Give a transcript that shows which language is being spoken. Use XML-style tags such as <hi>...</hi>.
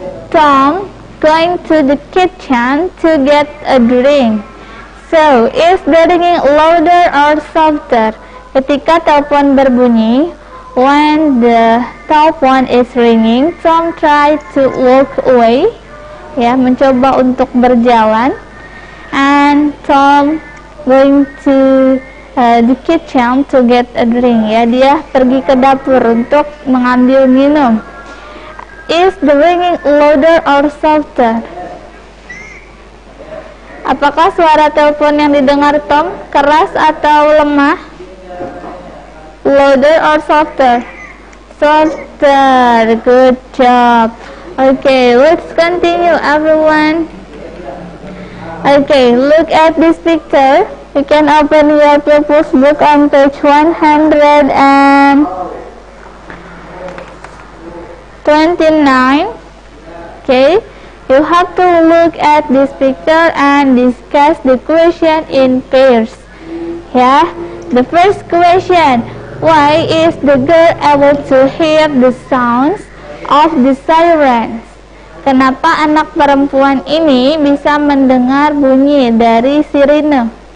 <en>Tom going to the kitchen to get a drink. So, is the ringing louder or softer?</en> <id>Ketika telepon berbunyi,</id> <en>When the telephone is ringing, Tom tried to walk away.</en> <id>Ya, mencoba untuk berjalan.</id> <en>And Tom going to the kitchen to get a drink.</en> <id>Ya, dia pergi ke dapur untuk mengambil minum.</id> <en>Is the ringing louder or softer?</en> <id>Apakah suara telepon yang didengar Tom keras atau lemah?</id> <en>Louder or softer? Softer. Good job. Okay, let's continue, everyone. Okay, look at this picture. You can open your pupils book on page 129. Okay, you have to look at this picture and discuss the question in pairs. Yeah, the first question. Why is the girl able to hear the sounds of the sirens?</en> <id>Kenapa anak perempuan ini bisa mendengar bunyi dari sirene?</id>